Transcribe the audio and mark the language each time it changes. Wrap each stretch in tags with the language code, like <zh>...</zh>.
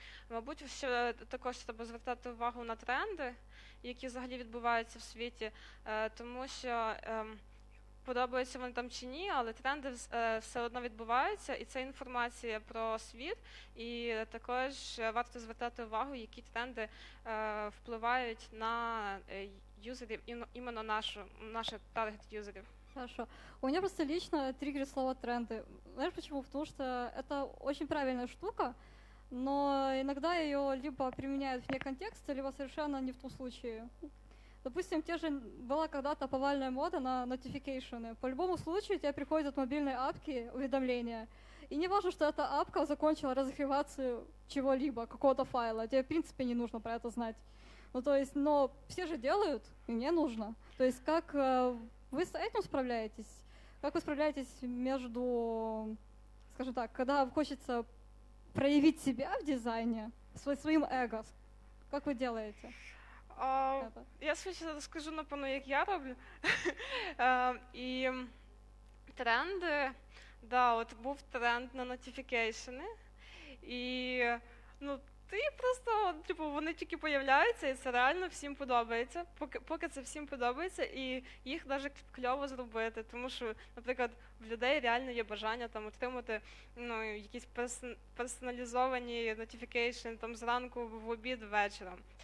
<uk>Мабуть, ще також треба звертати увагу на тренди, які взагалі відбуваються в світі, тому що подобаються вони там чи ні, але тренди все одно відбуваються, і це інформація про світ, і також варто звертати увагу, які тренди впливають на юзерів, іменно наші таргет-юзерів.</uk> <ru>Хорошо. У меня просто лично триггерит слово «тренды». Знаешь почему? Потому что это очень правильная штука, но иногда ее либо применяют вне контекста, либо совершенно не в том случае. Допустим, те же была когда-то повальная мода на нотификейшены. По любому случаю тебе приходят от мобильной апки уведомления. И не важно, что эта апка закончила разогревацию чего-либо, какого-то файла. Тебе, в принципе, не нужно про это знать. Ну, то есть, но все же делают, и мне нужно. То есть как... Вы с этим справляетесь? Как вы справляетесь между, скажем так, когда хочется проявить себя в дизайне, своим эго? Как вы делаете? Я сейчас расскажу,</ru> <uk>напевно,</uk> <ru>как я</ru> <uk>роблю.</uk> <ru>И тренды, да, вот</ru> <uk>був тренд</uk> <ru>на нотификейшены.</ru> <uk>И, ну, ти просто, типу, вони тільки появляються, і це реально всім подобається. Поки це всім подобається, і їх навіть кльово зробити. Тому що, наприклад, в людей реально є бажання там отримати, ну, якісь персоналізовані notification там зранку, в обід, вечором.</uk>